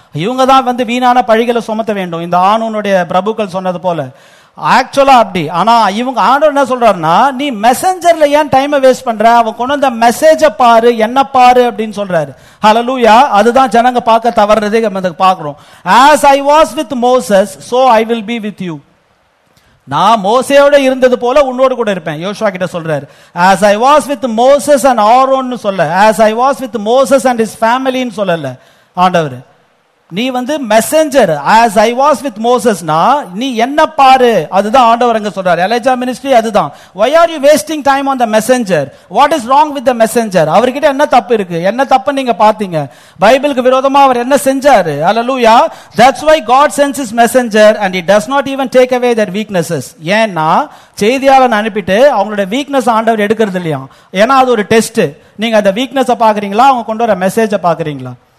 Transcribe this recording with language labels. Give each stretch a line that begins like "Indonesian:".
Tamil: இவங்க தான் வந்து வீணான பழிகளை சுமத்த வேண்டும் இந்த ஆணுனுடைய பிரபுக்கள் சொன்னது போல. ஆக்சுவலா அப்படி. ஆனா இவங்க ஆண்டவர் என்ன சொல்றாருன்னா, நீ மெசஞ்சர்ல ஏன் டைமை வேஸ்ட் பண்ற, அவன் கொண்டு வந்த மெசேஜை பாரு, என்ன பாரு அப்படின்னு சொல்றாரு. ஹல்லேலூயா. அதுதான் ஜனங்க பார்க்க தவறுறதே பாக்குறோம்.
English: As I was with Moses, so I will be with you.
Tamil: நான் மோசையோட இருந்தது போல உன்னோடு கூட இருப்பேன். யோசுவா கிட்ட சொல்றாரு,
English: As I was with Moses and Aaron,
Tamil: சொல்ல
English: As I was with Moses and his family
Tamil: சொல்லல ஆண்டவர். நீ வந்து messenger
English: as I was with Moses
Tamil: நா நீ என்ன பாரு அதுதான் ஆண்டவர் அங்க சொல்றாரு எலைஜா மினிஸ்ட்ரி அதுதான்
English: why are you wasting time on the messenger
Tamil: what is wrong with the messenger அவர்கிட்ட என்ன தப்பு இருக்கு என்ன தப்பு நீங்க பாத்தீங்க பைபிளுக்கு விரோதமா அவர் என்ன செஞ்சாரு அல்லேலூயா
English: that's why God sends his messenger and he does not even take away their weaknesses
Tamil: ஏன்னா செய்தியாளன் அனுப்பிட்டு அவங்களோட வீக்னஸ் ஆண்டவர் எடுக்கிறது இல்லையா ஏன்னா அது ஒரு டெஸ்ட் நீங்க அந்த வீக்னஸ் பாக்குறீங்களா அவங்க கொண்டு வர மெசேஜ பாக்குறீங்களா